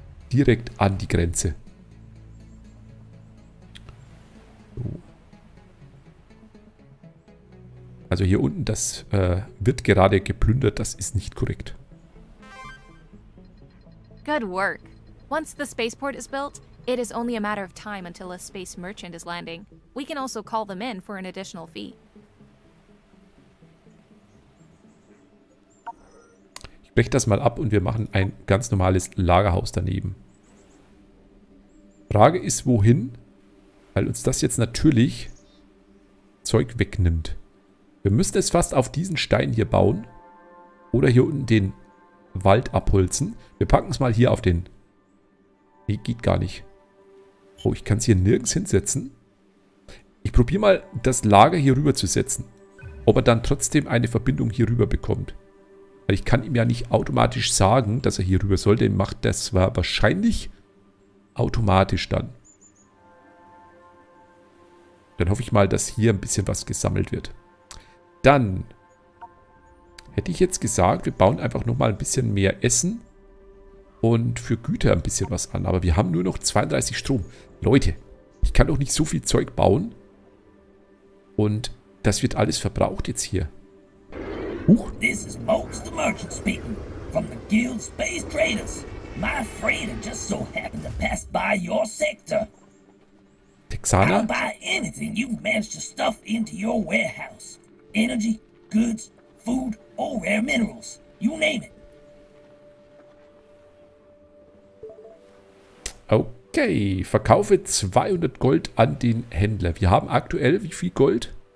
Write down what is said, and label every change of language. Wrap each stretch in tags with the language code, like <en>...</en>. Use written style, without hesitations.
<de>Direkt an die Grenze. Also hier unten, das wird gerade geplündert, das ist nicht korrekt.</de> <en>Good work. Once the spaceport is built, it is only a matter of time until a space merchant is landing. We can also call them in for an additional fee.</en> <de>Ich breche das mal ab und wir machen ein ganz normales Lagerhaus daneben. Frage ist, wohin? Weil uns das jetzt natürlich Zeug wegnimmt. Wir müssen es fast auf diesen Stein hier bauen oder hier unten den Wald abholzen. Wir packen es mal hier auf den... Nee, geht gar nicht. Oh, ich kann es hier nirgends hinsetzen. Ich probiere mal, das Lager hier rüber zu setzen. Ob er dann trotzdem eine Verbindung hier rüber bekommt. Weil ich kann ihm ja nicht automatisch sagen, dass er hier rüber soll. Denn macht das wahrscheinlich automatisch dann. Dann hoffe ich mal, dass hier ein bisschen was gesammelt wird. Dann hätte ich jetzt gesagt, wir bauen einfach nochmal ein bisschen mehr Essen und für Güter ein bisschen was an. Aber wir haben nur noch 32 Strom. Leute, ich kann doch nicht so viel Zeug bauen, Und das wird alles verbraucht jetzt hier. Huch.</de> <en>This is Mokes the Merchant speaking from the Guild Space Traders. My freighter just so happened to pass by your sector. Texana? I'll buy anything you've managed to stuff into your warehouse. Energy, goods, food, or rare minerals. You name it.</en> <de>Okay, verkaufe 200 Gold an den Händler. Wir haben aktuell wie viel Gold?</de>